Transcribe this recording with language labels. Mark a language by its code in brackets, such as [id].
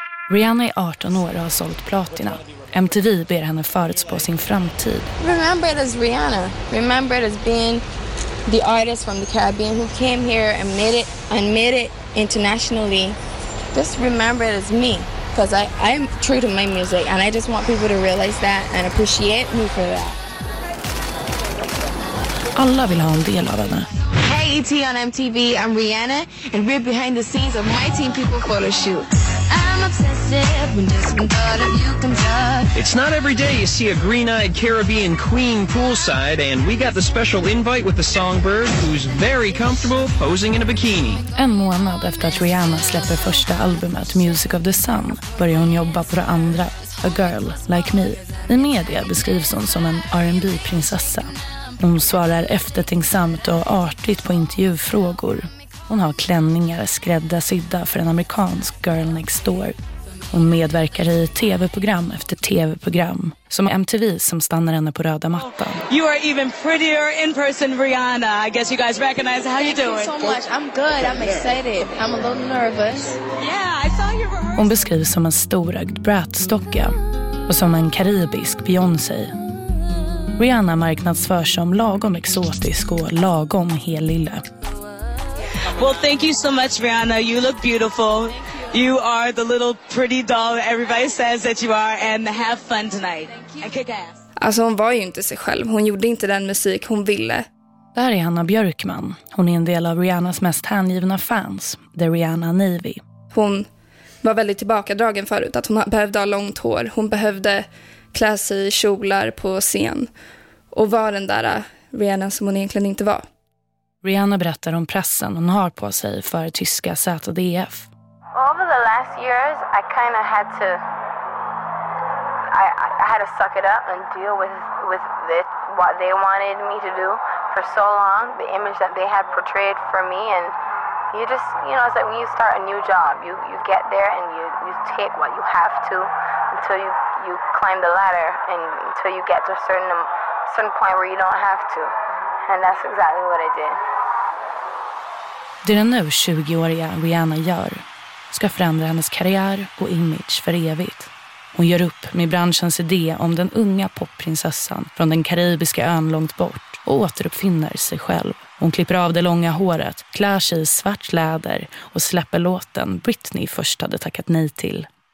[sv] Rihanna är 18 år och har sålt platina. MTV ber henne förutspå sin framtid. [en] Remember it as Rihanna. Remember it as being the artist from the Caribbean who came here and made it internationally. Just remember it as me, because I'm true to my music and I just want people to realize that and appreciate me for that. [sv] Alla vill ha en del av henne. [en] Hey ET on MTV, I'm Rihanna and we're behind the scenes of my team people photo shoot. I'm obsessive when just you can. It's not every day you see a green-eyed Caribbean queen poolside, and we got the special invite with the songbird who's very comfortable posing in a bikini. [sv] En månad efter att Rihanna släpper första albumet Music of the Sun börjar hon jobba på det andra, A Girl Like Me. I media beskrivs hon som en R&B-prinsessa. Hon svarar eftertänksamt och artigt på intervjufrågor. Hon har klänningar skrädda sydda för en amerikansk [en] girl next door. [sv] Hon medverkar i tv-program efter tv-program. Som MTV som stannar henne på röda mattan. [en] You are even prettier in person, Rihanna. I guess you guys recognize. How you doing? Thank you so much. I'm good. I'm excited. I'm a little nervous. Yeah, I saw your rehearsal. [sv] Hon beskrivs som en storögd brätstocka. Och som en karibisk Beyoncé. Rihanna marknadsförs som lagom exotisk och lagom helille. [en] Well, thank you so much, Rihanna. You look beautiful. You are the little pretty doll everybody says that you are. And have fun tonight. And kick ass. [sv] Alltså, hon var ju inte sig själv. Hon gjorde inte den musik hon ville. Det här är Hanna Björkman. Hon är en del av Rihannas mest hängivna fans, The Rihanna Navy. Hon var väldigt tillbakadragen förut. Att hon behövde ha långt hår. Hon behövde klä sig i kjolar på scen. Och var den där Rihanna som hon egentligen inte var. Rihanna berättar om pressen hon har på sig för tyska ZDF. [en] Over the last years, I kind of had to, I had to suck it up and deal with what they wanted me to do for so long. The image that they had portrayed for me, and you just, you know, it's like when you start a new job, you get there and you take what you have to until you you climb the ladder until you get to a certain point where you don't have to. And that's exactly what I did. [sv] Det den nu 20-åriga Rihanna gör ska förändra hennes karriär och image för evigt. Hon gör upp med branschens idé om den unga popprinsessan från den karibiska ön långt bort och återuppfinner sig själv. Hon klipper av det långa håret, klär sig i svart läder och släpper låten Britney först hade tackat nej till.